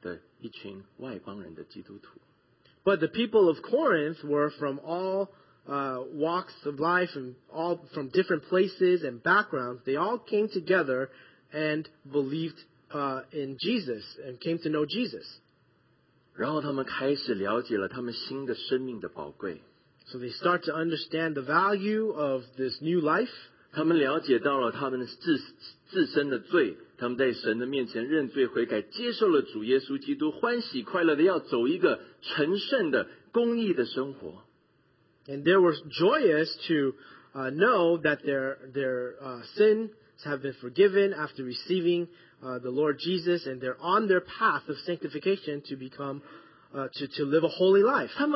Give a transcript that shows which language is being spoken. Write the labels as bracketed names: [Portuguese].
[Chinese] 可是哥林多的信徒是从各处各地各样的背景来到一起，然后呢，他们听见了福音，然后他们认识了主，然后他们重生了的一群外邦人的基督徒。 [English] But the people of Corinth were from all walks of life and all from different places and backgrounds. They all came together and believed in Jesus and came to know Jesus. [Chinese] 然后他们开始了解了他们新的生命的宝贵。 [English] So they start to understand the value of this new life. [Chinese] 他们了解到了他们自身的罪。他们在神的面前认罪悔改，接受了主耶稣基督，欢喜快乐的要走一个成圣的公义的生活。 [English] And they were joyous to know that their sins have been forgiven after receiving the Lord Jesus, and they're on their path of sanctification to become to live a holy life.